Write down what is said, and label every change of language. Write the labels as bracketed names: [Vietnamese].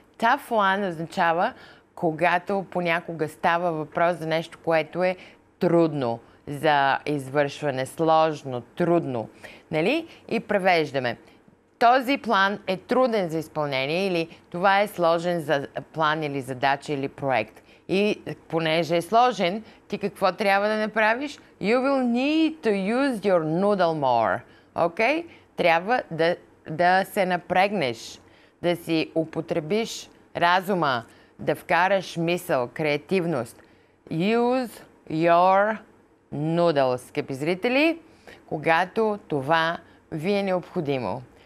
[Bulgarian] Tough one означава, когато понякога става въпрос за нещо, което е трудно за извършване. Сложно, трудно. Нали? И превеждаме. Този план е труден за изпълнение или това е сложен за план или задача или проект. И понеже е сложен, ти какво трябва да направиш? [English] You will need to use your noodle more. Okay? [Bulgarian] Трябва да се напрегнеш, да си употребиш разума, да вкараш мисъл, креативност. [English] Use your noodle, [Bulgarian] скъпи зрители, когато това ви е необходимо.